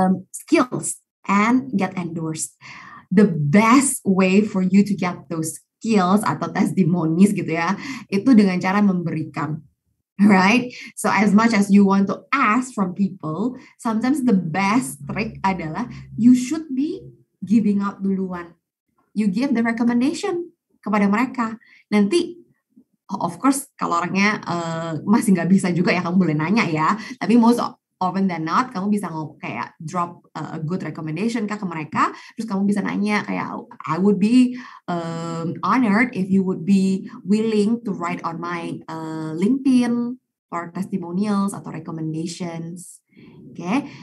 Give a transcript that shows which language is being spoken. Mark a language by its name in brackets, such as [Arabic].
[English] Skills and get endorsed. The best way for you to get those skills atau testimonies gitu ya, [Indonesian] itu dengan cara memberikan, [English] right? So as much as you want to ask from people, sometimes the best trick adalah you should be giving out duluan. You give the recommendation [Indonesian] kepada mereka. Nanti, of course, kalau orangnya masih nggak bisa juga ya, kamu boleh nanya ya. [English] Tapi most often than not, [Indonesian] kamu bisa kayak [English] drop a good recommendation ke mereka, terus kamu bisa nanya kayak, I would be honored if you would be willing to write on my LinkedIn or testimonials atau recommendations, okay?